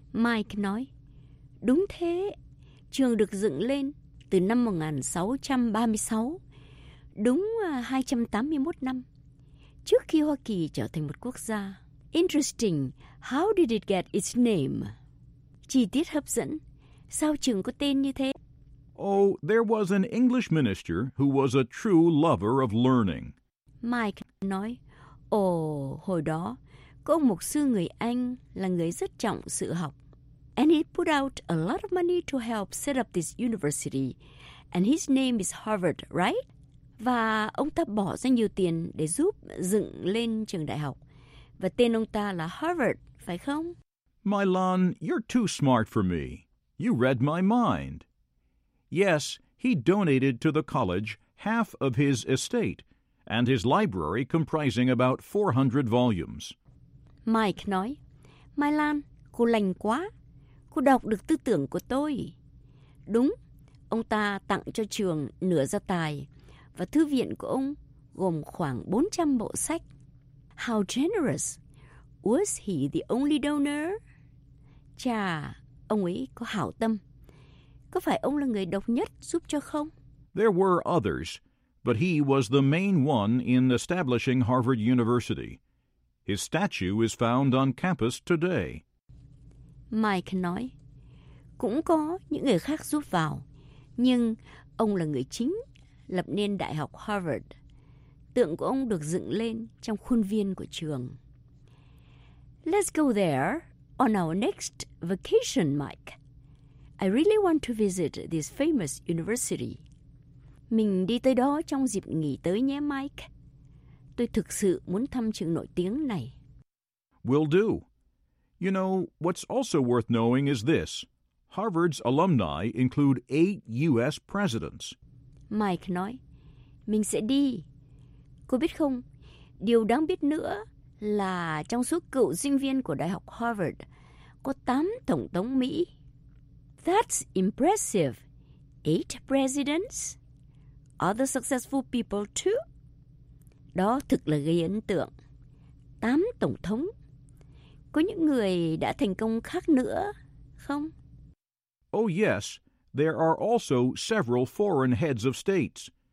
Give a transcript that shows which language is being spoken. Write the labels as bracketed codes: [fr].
[vi] Mike nói, đúng thế, trường được dựng lên từ năm 1636, đúng 281 năm, trước khi Hoa Kỳ trở thành một quốc gia. [en] Interesting, how did it get its name? [vi] Chi tiết hấp dẫn, sao trường có tên như thế? [en] Oh, there was an English minister who was a true lover of learning. [vi] Mike nói, hồi đó, có ông mục sư người Anh là người rất trọng sự học. [en] And he put out a lot of money to help set up this university. And his name is Harvard, right? [vi] Và ông ta bỏ ra nhiều tiền để giúp dựng lên trường đại học. Và tên ông ta là Harvard, phải không? [en] Milan, you're too smart for me. You read my mind. Yes, he donated to the college half of his estate and his library comprising about 400 volumes. [vi] Mike nói, Milan, cô lành quá. Cô đọc được tư tưởng của tôi. Đúng, ông ta tặng cho trường nửa gia tài và thư viện của ông gồm khoảng 400 bộ sách. [en] How generous! Was he the only donor? [vi] Chà, ông ấy có hảo tâm. Có phải ông là người độc nhất giúp cho không? [en] There were others, but he was the main one in establishing Harvard University. His statue is found on campus today. [vi] Mike nói, cũng có những người khác giúp vào, nhưng ông là người chính lập nên Đại học Harvard. Tượng của ông được dựng lên trong khuôn viên của trường. [en] Let's go there on our next vacation, Mike. I really want to visit this famous university. [vi] Mình đi tới đó trong dịp nghỉ tới nhé, Mike. Tôi thực sự muốn thăm trường nổi tiếng này. [en] Will do. You know, what's also worth knowing is this. Harvard's alumni include 8 U.S. presidents. [vi] Mike nói, mình sẽ đi. Cô biết không, điều đáng biết nữa là trong số cựu sinh viên của Đại học Harvard, có 8 tổng thống Mỹ. [en] That's impressive. 8 presidents? Other successful people too? [vi] Đó thực là gây ấn tượng. 8 tổng thống. Có những người đã thành công khác nữa, không? [en] Oh yes, there are also several foreign heads of states.